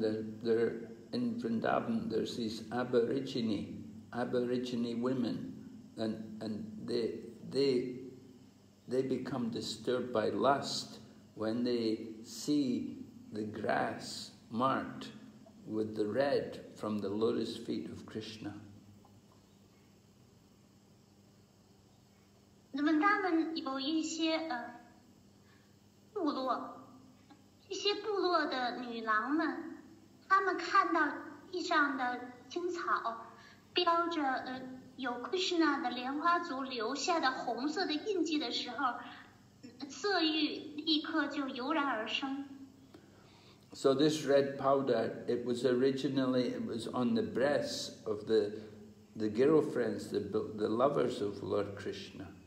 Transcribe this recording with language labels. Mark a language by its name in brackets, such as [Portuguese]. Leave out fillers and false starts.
[English] they're in Vrindavan, there's these aborigine women, and they become disturbed by lust when they see the grass marked with the red from the lotus feet of Krishna. [Chinese] 那么他们有一些部落的女郎们，她们看到地上的青草标着有 Krishna 的莲花族留下的红色的印记的时候，色欲立刻就油然而生。 [English] So this red powder, it was originally on the breasts of the girlfriends, the lovers of Lord Krishna.